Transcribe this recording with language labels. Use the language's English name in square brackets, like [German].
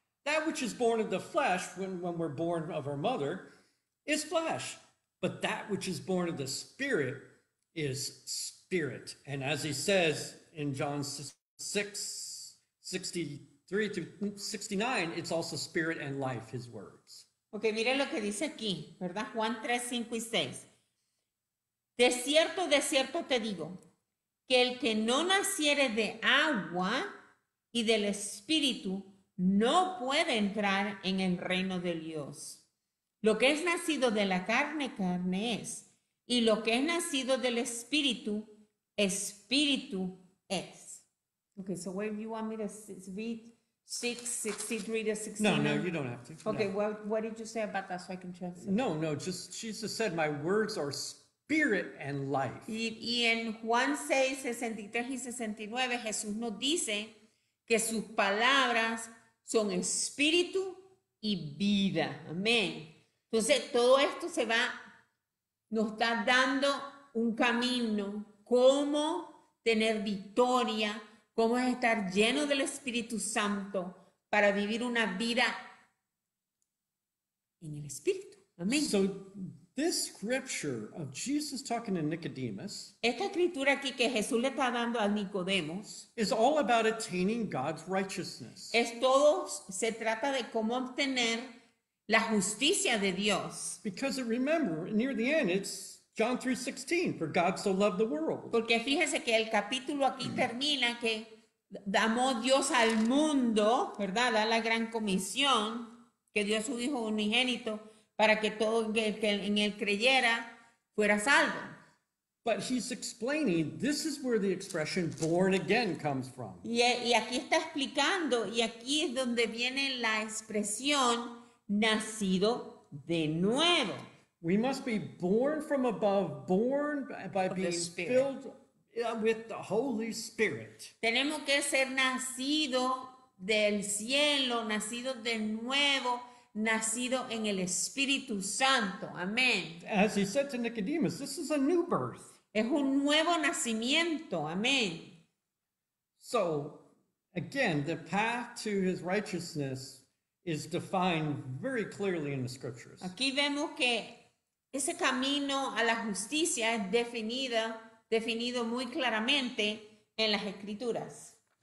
[English] That which is born of the flesh, when we're born of our mother, is flesh. But that which is born of the Spirit is spirit." And as he says in John 6:63-69, it's also spirit and life, his words. [Spanish] Okay, mire lo que dice aquí, ¿verdad? Juan 3:5-6. De cierto te digo, que el que no naciere de agua y del Espíritu no puede entrar en el reino de Dios. Lo que es nacido de la carne, carne es. Y lo que es nacido del Espíritu, Espíritu es. [English] Okay, so where do you want me to read? 6:63-69. No, you don't have to. Okay, no. What did you say about that so I can translate? No, just Jesus said, my words are spirit and life. [Spanish] Y en Juan 6:63-69, Jesús nos dice que sus palabras son espíritu y vida. Amén. Entonces, todo esto se va, nos está dando un camino, cómo tener victoria, cómo es estar lleno del Espíritu Santo para vivir una vida en el Espíritu. Amén. [English] So, this scripture of Jesus talking to Nicodemus, [Spanish] esta escritura aquí que Jesús le está dando a Nicodemos, [English] is all about attaining God's righteousness. [Spanish] Es todo, se trata de cómo obtener la justicia de Dios. [English] Because remember, near the end, it's John 3:16, for God so loved the world. [Spanish] Porque fíjese que el capítulo aquí termina que amó Dios al mundo, ¿verdad? Da la gran comisión que dio a su Hijo unigénito para que todo el que en él creyera fuera salvo. [English] But he's explaining, this is where the expression born again comes from. [Spanish] Y aquí está explicando, y aquí es donde viene la expresión nacido de nuevo. [English] We must be born from above, born by being filled with the Holy Spirit. [Spanish] Tenemos que ser nacido del cielo, nacido de nuevo, nacido en el Espíritu Santo. Amén. [English] As he said to Nicodemus, this is a new birth. [Spanish] Es un nuevo nacimiento. Amén. [English] So, again, the path to his righteousness is defined very clearly in the scriptures. [Spanish] Aquí vemos que ese camino a la justicia es definido muy claramente en las escrituras.